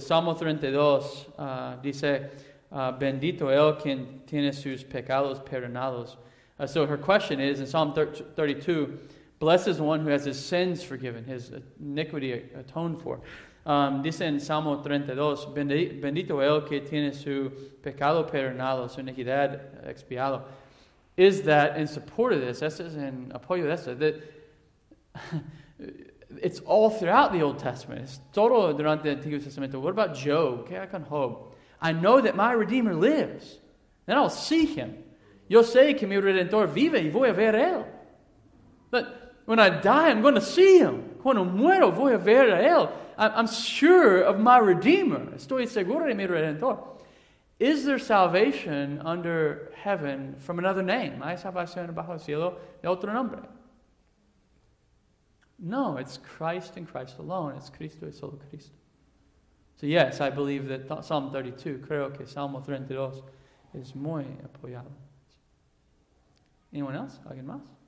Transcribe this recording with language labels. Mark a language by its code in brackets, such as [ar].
[es] Salmo 32 dice, bendito el quien tiene sus pecados perdonados. [en] So her question is, in Psalm 32, blessed is the one who has his sins forgiven, his iniquity atoned for. [es] Dice en Salmo 32, bendito el que tiene su pecado perdonado, su iniquidad expiado. [en] Is that in support of this? [es] Esto es en apoyo de esto. [en] That... It's all throughout the Old Testament. It's [es] todo durante el Antiguo Testamento. [en] What about Job? Okay, I can hope. I know that my Redeemer lives. Then I'll see him. [es] Yo sé que mi Redentor vive y voy a ver él. [en] But when I die, I'm going to see him. [es] Cuando muero, voy a ver a él. [en] I'm sure of my Redeemer. [es] Estoy seguro de mi Redentor. [en] Is there salvation under heaven from another name? [es] ¿Hay salvación bajo el cielo de otro nombre? [en] No, it's Christ and Christ alone. It's [es] Cristo y solo Cristo. [en] So yes, I believe that Psalm 32, [es] creo que Salmo 32, es muy apoyado. [en] Anyone else? [es] ¿Alguien más?